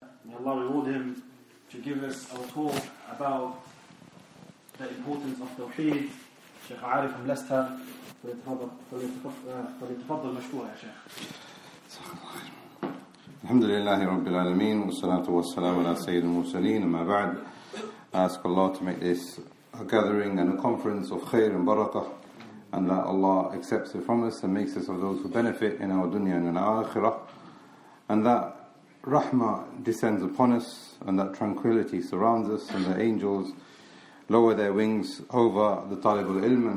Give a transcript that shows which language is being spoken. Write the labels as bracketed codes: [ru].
[en] Allah reward him, to give us our talk about the importance of Tawhid. Sheikh Arif from Leicester, [ar] فليتفضل مشكورا يا شيخ. الحمد لله رب العالمين والصلاة والسلام على سيد المرسلين أما بعد. [en] I ask Allah to make this a gathering and a conference of khair and barakah, and that Allah accepts it from us and makes us of those who benefit in our dunya and in our akhirah, and that rahmah descends upon us and that tranquility surrounds us and the angels lower their wings over the talib al-ilm.